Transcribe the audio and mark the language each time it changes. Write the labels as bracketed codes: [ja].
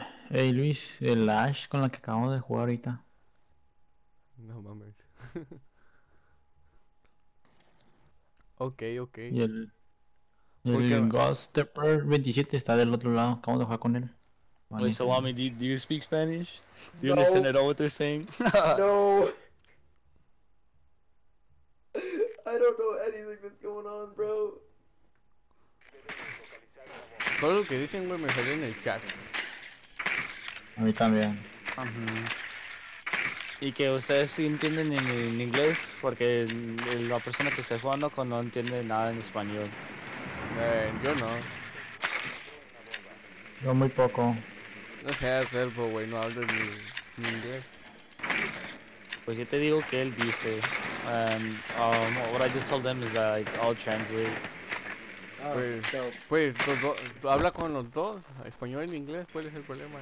[es] Hey, Luis, el Ash con la que acabamos de jugar ahorita. No mames. Ok. Y el... El Ghost Pepper 27 está del otro lado, acabamos de jugar con él. [en] Vale. Wait, Salami, do you speak Spanish? Do you understand at all what they're saying? No! I don't know anything that's going on, bro. [es] Todo lo que dicen, güey, me sale en el chat. A mí también. Y que ustedes sí entienden en inglés, porque la persona que está jugando con no entiende nada en español. Yo no. Yo muy poco. No seas elfo, güey, no hablo ni inglés. Pues yo te digo que él dice. [en] What I just told them is that like, I'll translate. [es] Pues, habla con los dos, español y inglés, ¿cuál es el problema?